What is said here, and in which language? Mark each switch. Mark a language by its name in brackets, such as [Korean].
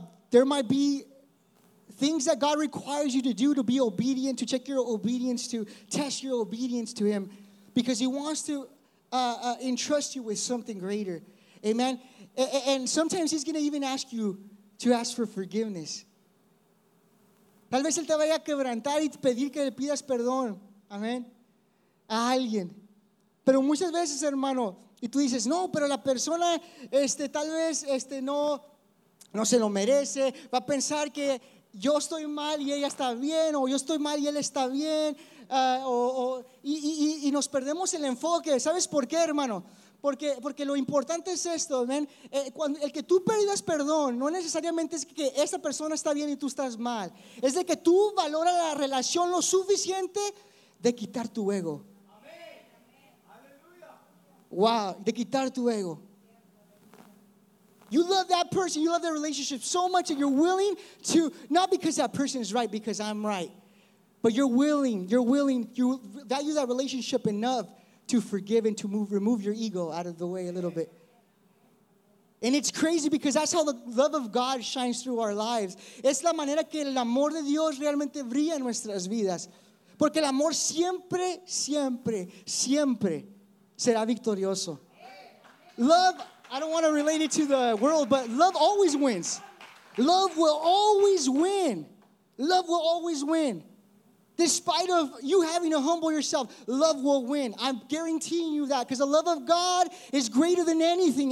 [English] There might be things that God requires you to do to be obedient, to check your obedience, to test your obedience to Him, because He wants to entrust you with something greater. Amen. And sometimes He's going to even ask you to ask for forgiveness. [Spanish] Tal vez Él te vaya a quebrantar y pedir que le pidas perdón. Amén. A alguien. Pero muchas veces, hermano, y tú dices, no, pero la persona tal vez no se lo merece. Va a pensar que yo estoy mal y ella está bien, o yo estoy mal y él está bien, y nos perdemos el enfoque. ¿Sabes por qué, hermano? Porque lo importante es esto, ¿ven? El que tú pidas perdón no necesariamente es que esa persona está bien y tú estás mal. Es de que tú valoras la relación lo suficiente de quitar tu ego. Amén. Aleluya. Wow, de quitar tu ego. [English] You love that person, you love their relationship so much that you're willing to, not because that person is right, because I'm right, but you're willing, you value that relationship enough to forgive and to remove your ego out of the way a little bit. And it's crazy because that's how the love of God shines through our lives. [Spanish] Es la manera que el amor de Dios realmente brilla en nuestras vidas. Porque el amor siempre, siempre, siempre será victorioso. [English] Love, I don't want to relate it to the world, but love always wins. Love will always win. Love will always win. Despite of you having to humble yourself, love will win. I'm guaranteeing you that, because the love of God is greater than anything.